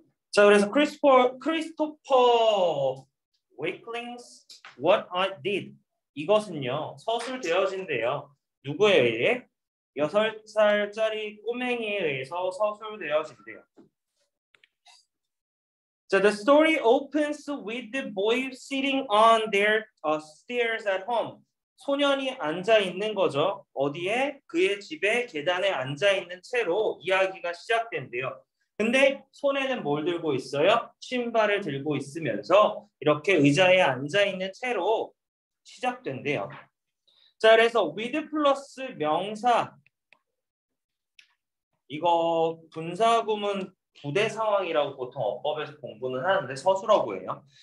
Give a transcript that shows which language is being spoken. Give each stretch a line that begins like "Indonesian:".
Korean: 자, 그래서 크리스토퍼 웨이클링스 What I Did 이것은요 서술되어진대요. 누구에 의해? 6살짜리 꼬맹이에 의해서 서술되어진대요.
English: 자, the story opens with the boy sitting on their stairs at home.
Korean: 소년이 앉아 있는 거죠. 어디에? 그의 집에 계단에 앉아 있는 채로 이야기가 시작된대요. 근데 손에는 뭘 들고 있어요? 신발을 들고 있으면서 이렇게 의자에 앉아 있는 채로 시작된대요. 자, 그래서 with 플러스 명사 이거 분사 구문 부대 상황이라고 보통 어법에서 공부는 하는데 서술어구 해요.